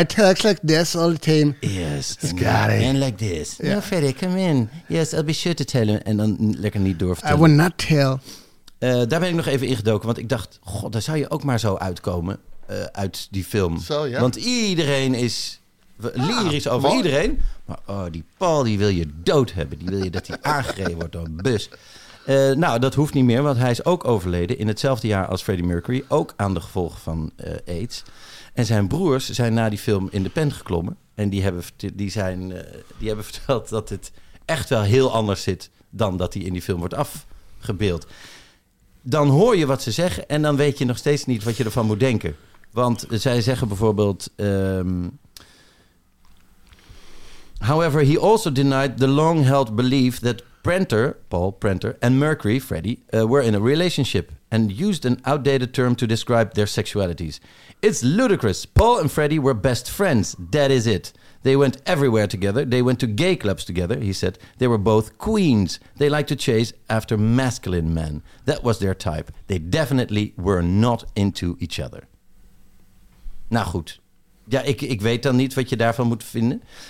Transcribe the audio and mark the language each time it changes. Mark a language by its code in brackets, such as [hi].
[en] It talks like this all the time. Yes. Got it. And like this. Yeah. No, Freddy, come in. Yes, I'll be sure to tell him. [nl] En dan lekker niet door vertellen. [en] I will not tell. [nl] Daar ben ik nog even ingedoken, want ik dacht, god, daar zou je ook maar zo uitkomen uit die film. Zo, ja. Want iedereen is lyrisch over mooi. Iedereen. Oh, die Paul, die wil je dood hebben. Die wil je dat hij aangereden wordt door een bus. Nou, dat hoeft niet meer, want hij is ook overleden in hetzelfde jaar als Freddie Mercury. Ook aan de gevolgen van AIDS. En zijn broers zijn na die film in de pen geklommen. En die hebben verteld dat het echt wel heel anders zit dan dat hij in die film wordt afgebeeld. Dan hoor je wat ze zeggen en dan weet je nog steeds niet wat je ervan moet denken. Want zij zeggen bijvoorbeeld... [en] However, he also denied the long-held belief that Paul Prenter, and Mercury, Freddie, were in a relationship and used an outdated term to describe their sexualities. It's ludicrous. Paul and Freddie were best friends. That is it. They went everywhere together. They went to gay clubs together. He said they were both queens. They liked to chase after masculine men. That was their type. They definitely were not into each other. [nl] Nou goed. Ja, ik weet dan niet wat je daarvan moet vinden.